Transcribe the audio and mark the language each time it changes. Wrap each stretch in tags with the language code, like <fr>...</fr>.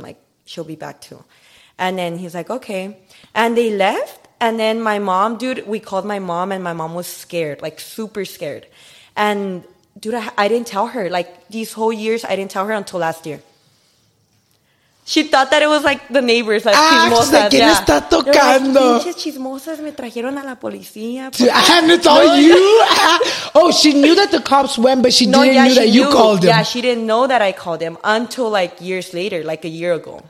<en>Like, she'll be back too. And then he's like, okay. And they left. And then my mom, dude, we called my mom. And my mom was scared, like super scared. And, dude, I didn't tell her. Like, these whole years, I didn't tell her until last year. She thought that it was like the neighbors, like chismosas.</en> <es>Ah, ¿quién está tocando? Like, pinches chismosas me trajeron a la policía.</es> <en>And it's all you? Oh, she knew that the cops went, but she didn't know that you called him. Yeah, she didn't know that I called him until like years later, like a year ago.</en>